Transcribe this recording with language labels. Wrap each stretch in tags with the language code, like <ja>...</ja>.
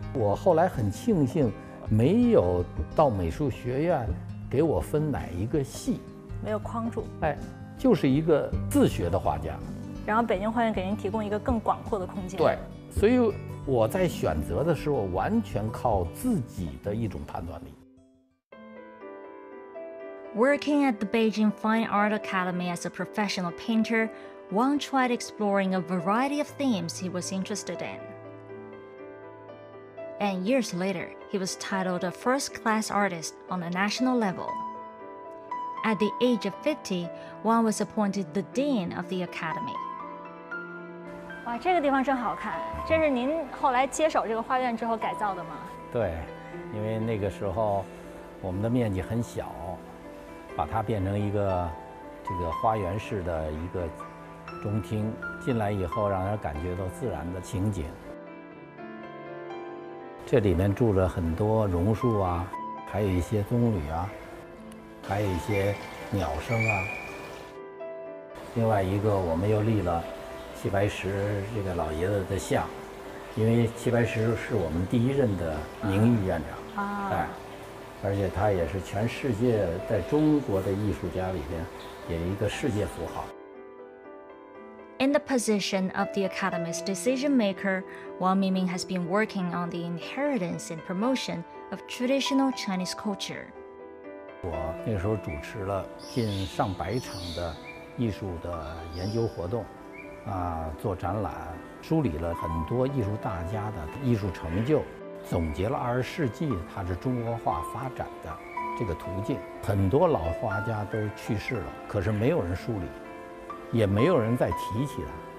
<zh>我后来很庆幸没有到美术学院给我分哪一个系，没有框住，哎，就是一个自学的画家。然后北京画院给您提供一个更广阔的空间。对，所以我在选择的时候完全靠自己的一种判断力。</zh> <en>Working at the Beijing Fine Art Academy as a professional painter, Wang tried exploring a variety of themes he was interested in. And years later, he was titled a first-class artist on a national level. At the age of 50, Wang was appointed the dean of the academy.</en> <zh>哇，这个地方真好看！这是您后来接手这个画院之后改造的吗？对，因为那个时候我们的面积很小。把它变成一个这个花园式的一个中厅，进来以后让人感觉到自然的情景。这里面住着很多榕树啊，还有一些棕榈啊，还有一些鸟声啊。另外一个，我们又立了齐白石这个老爷子的像，因为齐白石是我们第一任的名誉院长。哎。而且他也是全世界在中国的艺术家里边也一个世界符号。</zh> <en>In the position of the Academy's decision maker, Wang Mingming has been working on the inheritance and promotion of traditional Chinese culture.</en> <zh>我那时候主持了近上百场的艺术的研究活动，做展览，梳理了很多艺术大家的艺术成就。总结了二十世纪它是中国画发展的这个途径，很多老画家都去世了，可是没有人梳理，也没有人再提起它。</zh>